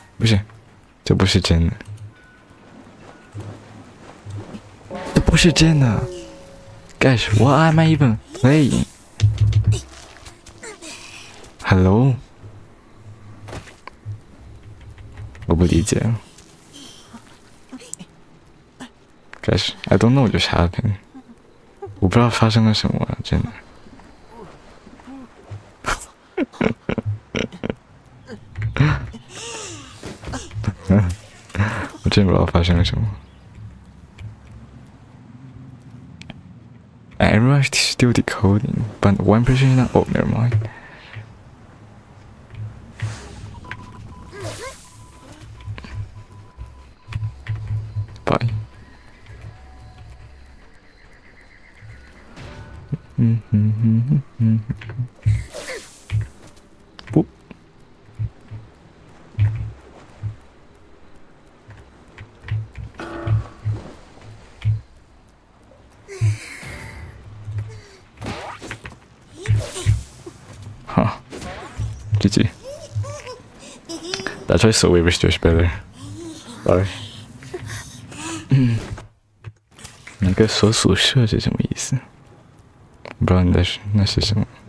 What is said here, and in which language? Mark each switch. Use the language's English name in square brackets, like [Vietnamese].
[Chinese] 不是，这不是真的，这不是真的。 [English] Guys, what am I even playing? Hello? [Chinese] 我不理解。 [English] Guys, I don't know what just happened. [Chinese] 我不知道发生了什么，真的。我真不知道发生了什么。 [English] Everyone is still decoding, but one person is not. Oh, never mind. [Chinese] 白。嗯嗯嗯嗯。不。好，GG。 [English] That's why Sylvie was just better. Sorry. [Chinese] 那个锁宿舍是什么意思？不知道你在是那是什么？